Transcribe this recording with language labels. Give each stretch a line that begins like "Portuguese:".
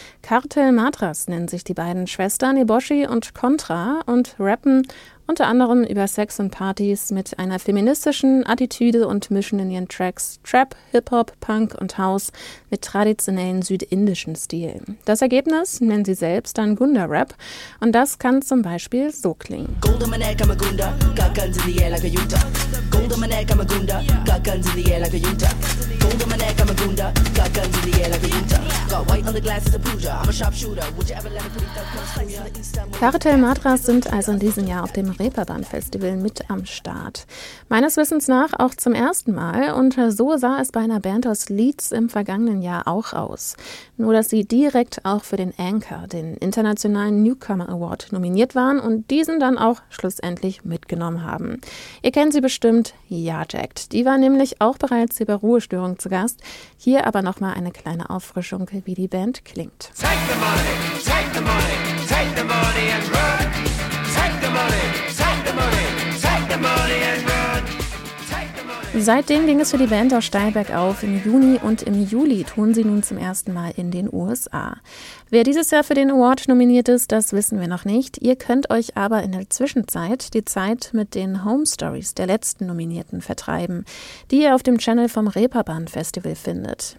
German: Cartel Matras nennen sich die beiden Schwestern Eboshi und Contra und rappen unter anderem über Sex und Partys mit einer feministischen Attitüde und mischen in ihren Tracks Trap, Hip-Hop, Punk und House mit traditionellen südindischen Stilen. Das Ergebnis nennen sie selbst dann Gunda-Rap und das kann zum Beispiel so klingen.
English: Gold on my neck, I'm a Gunda, got guns in the air like a Utah. Gold on my neck, I'm a Gunda, got guns in the air like a Utah. Gold on my neck, I'm a Gunda, got guns in the air like a Utah.
German: Cartel Matras sind also in diesem Jahr auf dem Reeperbahn-Festival mit am Start. Meines Wissens nach auch zum ersten Mal und so sah es bei einer Band aus Leeds im vergangenen Jahr auch aus. Nur, dass sie direkt auch für den Anchor, den Internationalen Newcomer Award, nominiert waren und diesen dann auch schlussendlich mitgenommen haben. Ihr kennt sie bestimmt, Jacked. Die war nämlich auch bereits hier bei Ruhestörung zu Gast. Hier aber nochmal eine kleine Auffrischung, wie die Band klingt.
English: Take the money, take the money, take the money and run. Take the money, take the money, take the money and run.
German: Seitdem ging es für die Band auch steil bergauf. Im Juni und im Juli tun sie nun zum ersten Mal in den USA. Wer dieses Jahr für den Award nominiert ist, das wissen wir noch nicht. Ihr könnt euch aber in der Zwischenzeit die Zeit mit den Home Stories der letzten Nominierten vertreiben, die ihr auf dem Channel vom Reeperbahn Festival findet.